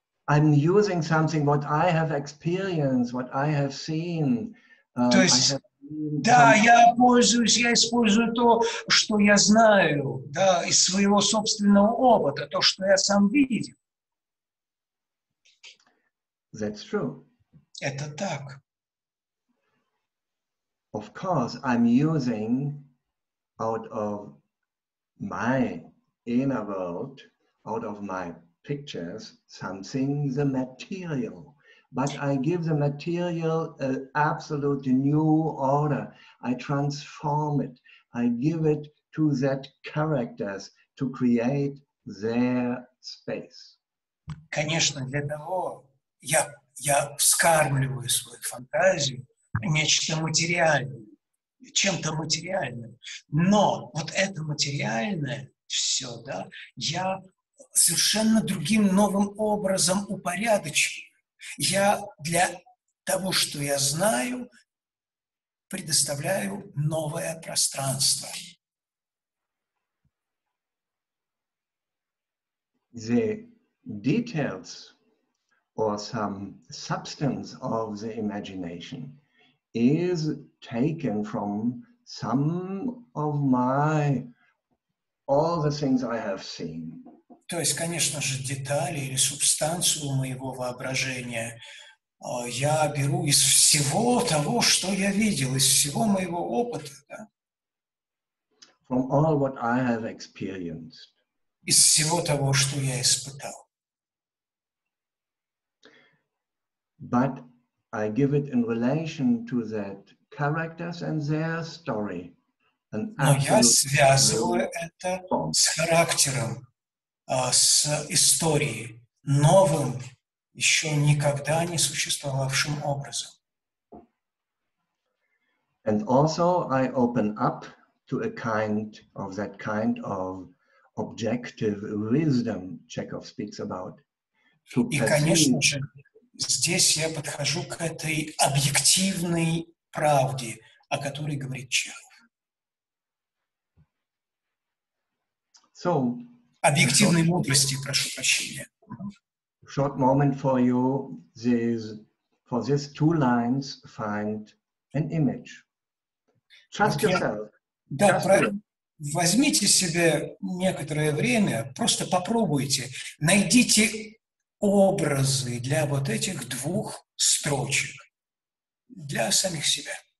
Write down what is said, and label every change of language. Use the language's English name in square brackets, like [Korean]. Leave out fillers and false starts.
[English] I'm using something, what I have experienced, what I have seen. [Russian] То есть, я использую то, что я знаю, да, из своего собственного опыта, то, что я сам видел. [English] That's true. [Russian] Это так. [English] Of course, I'm using out of my inner world, out of my pictures, something, the material. But I give the material an absolute new order. I transform it. I give it to that characters to create their space. [Russian] Конечно, для того я вскармливаю свою фантазию. Нечто материальное, чем-то материальным. Но вот это материальное все, да, я совершенно другим новым образом упорядочиваю. Я для того, что я знаю, предоставляю новое пространство. [English] The details or some substance of the imagination is taken from some of my all the things I have seen. [Russian] То есть, конечно же, детали или субстанцию моего воображения я беру из всего того, что я видел, из всего моего опыта, да? [English] From all what I have experienced. [Russian] Из всего того, что я испытал. [English] But I give it in relation to that characters and their story. [Russian] Но я связываю это с характером, с историей, новым, еще никогда не существовавшим образом. [English] And also I open up to a kind of that kind of objective wisdom Chekhov speaks about. [Russian] И, конечно же, здесь я подхожу к этой объективной правде, о которой говорит Чехов. [English] So, [Russian] объективной мудрости, прошу прощения. [English] Short moment for you, these two lines find an image. Trust yourself. [Russian] Да, возьмите себе некоторое время, просто попробуйте, найдите образы для вот этих двух строчек, для самих себя.